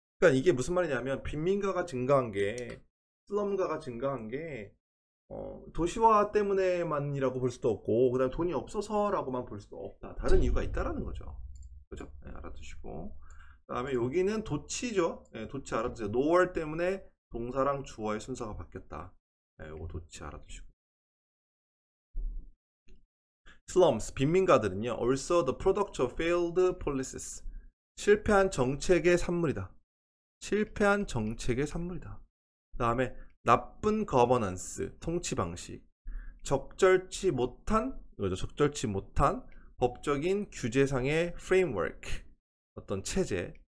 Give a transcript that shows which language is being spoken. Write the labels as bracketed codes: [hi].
[ko] 그러니까 이게 무슨 말이냐면, 빈민가가 증가한 게, 슬럼가가 증가한 게, 도시화 때문에만이라고 볼 수도 없고, 그 다음에 돈이 없어서라고만 볼 수도 없다. 다른 이유가 있다라는 거죠. 그죠? 네, 알아두시고. 그 다음에 여기는 도치죠. 네, 도치 알아두세요. nor 때문에 동사랑 주어의 순서가 바뀌었다. 네, 요거 도치 알아두시고. [en] Slums, [ko] 빈민가들은요, [en] also the product of failed policies. [ko] 실패한 정책의 산물이다. 실패한 정책의 산물이다. 그다음에 나쁜 governance, 통치 방식. 적절치 못한, 이거죠. 적절치 못한 법적인 규제상의 framework. 어떤 체제.